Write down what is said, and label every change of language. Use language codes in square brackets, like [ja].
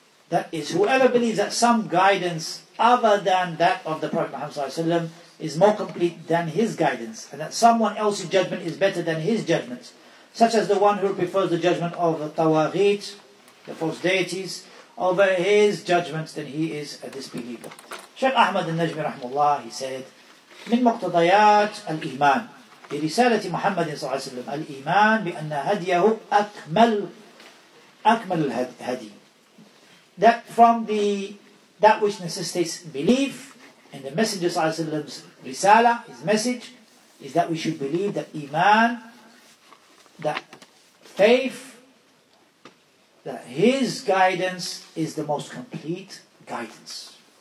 [en] That is, whoever believes that some guidance other than that of the Prophet Muhammad is more complete than his guidance, and that someone else's judgment is better than his judgment, such as the one who prefers the judgment of the tawaghit, the false deities, over his judgment, then he is a disbeliever. Shaykh Ahmad al-Najmi rahmullah, he said, [ar] من مقتضيات الإيمان برسالة محمد صلى الله عليه وسلم الإيمان بأن هديه أكمل الهدي. [en] That from the that which necessitates belief in the Messenger صلى الله عليه وسلم's risala, his message, is that we should believe that iman, that faith, that his guidance is the most complete guidance.